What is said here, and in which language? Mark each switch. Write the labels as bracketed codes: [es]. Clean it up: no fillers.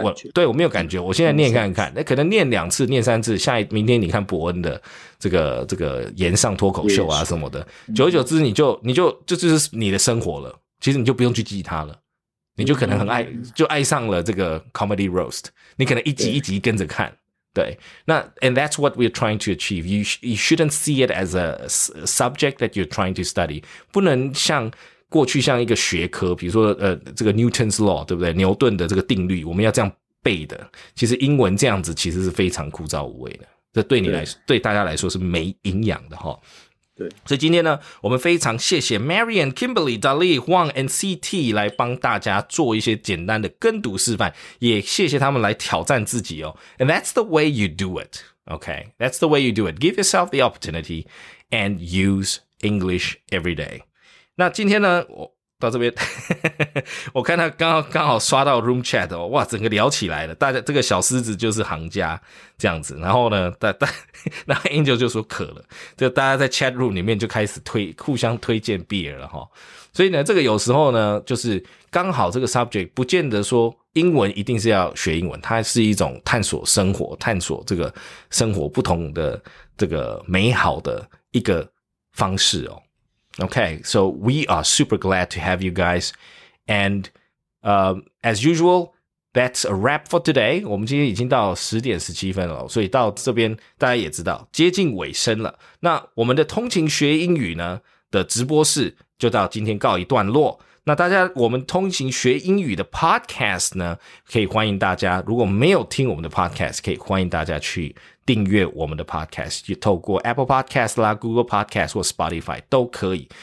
[zh] 我对我没有感觉，我现在念看看，那可能念两次念三次，下一明天你看伯恩的这个炎上脱口秀啊什么的，久而久之你就是你的生活了，其实你就不用去记它了，你就可能很爱，就爱上了这个 comedy roast, 你可能一集一集跟着看。对，那 [en] and that's what we're trying to achieve, you shouldn't see it as a subject that you're trying to study, [zh] 不能像过去像一个学科，比如说这个 [en] Newton's law, [zh] 对不对？牛顿的这个定律，我们要这样背的。其实英文这样子其实是非常枯燥无味的。这对你来说 对大家来说是没营养的齁。对。所以今天呢，我们非常谢谢 Marion, Kimberly, Dali, Huang, and CT 来帮大家做一些简单的跟读示范。也谢谢他们来挑战自己哦。 [en] And that's the way you do it. Okay. That's the way you do it. Give yourself the opportunity and use English every day. [zh] 那今天呢，我到这边，我看他刚好刷到 room chat, 哇，整个聊起来了，大家这个小狮子就是行家这样子，然后呢，那 Angel 就说渴了，就大家在 chat room 里面就开始互相推荐 beer 了哈，所以呢，这个有时候呢，就是刚好这个 subject 不见得说英文一定是要学英文，它是一种探索生活、探索这个生活不同的这个美好的一个方式哦。 [en] Okay, so we are super glad to have you guys. And, as usual, that's a wrap for today. [zh] 我们今天已经到10点17分了，所以到这边大家也知道接近尾声了。那我们的通勤学英语呢的直播室就到今天告一段落。那大家我们通勤学英语的 podcast 呢，可以欢迎大家，如果没有听我们的 podcast, 可以欢迎大家去订阅我们的 podcast, 透过 Apple Podcast 啦、Google Podcast 或 Spotify 都可以。